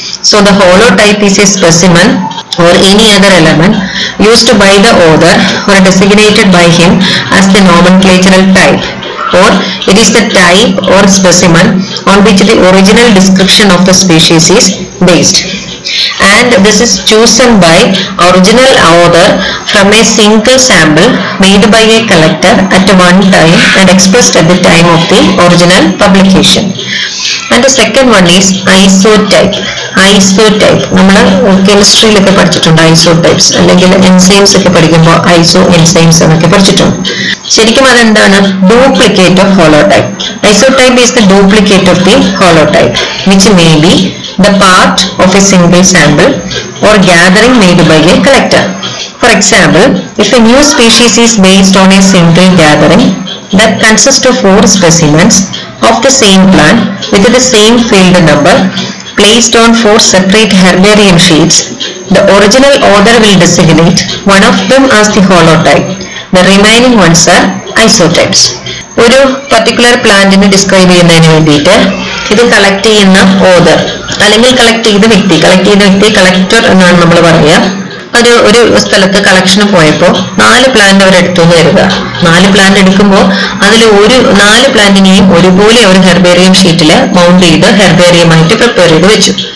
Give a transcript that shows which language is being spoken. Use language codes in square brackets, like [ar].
[en] So the holotype is a specimen or any other element used by the author or designated by him as the nomenclatural type or it is the type or specimen on which the original description of the species is based. And this is chosen by original author from a single sample made by a collector at one time and expressed at the time of the original publication. And the second one is isotype. Isotype. [ml] നമ്മള് കെമിസ്ട്രിയിലൊക്കെ പഠിച്ചിട്ടുണ്ട് isotypes, അല്ലെങ്കിൽ enzymes ഒക്കെ പഠിക്കുമ്പോൾ ഐസോ enzymes എന്നൊക്കെ പഠിച്ചിട്ടുണ്ട്. ശരിക്കും അതെന്താണ്? [en] Duplicate of holotype. Isotype is the duplicate of the holotype which may be the part of a single sample or gathering made by a collector. For example, if a new species is based on a single gathering that consists of four specimens of the same plant with the same field number placed on four separate herbarium sheets, the original order will designate one of them as the holotype. The remaining ones are isotypes. [ml] ഒരു particular പ്ലാന്റിനെ describe ചെയ്യുന്നതിന് വേണ്ടിയിട്ട് ഇത് collect ചെയ്യുന്ന author അല്ലെങ്കിൽ collect ചെയ്ത വ്യക്തി collector എന്നാണ് നമ്മൾ പറയുക. ഒരു ഒരു സ്ഥലത്ത് കളക്ഷന് പോയപ്പോൾ നാല് പ്ലാന്റ് അവരെടുത്തു എന്ന് കരുതുക. നാല് പ്ലാന്റ് എടുക്കുമ്പോൾ അതിൽ ഒരു നാല് പ്ലാന്റിനെയും ഒരുപോലെ അവർ ഹെർബേറിയം ഷീറ്റിൽ മൗണ്ട് ചെയ്ത് ഹെർബേറിയമായിട്ട് പ്രിപ്പയർ ചെയ്ത് വെച്ചു.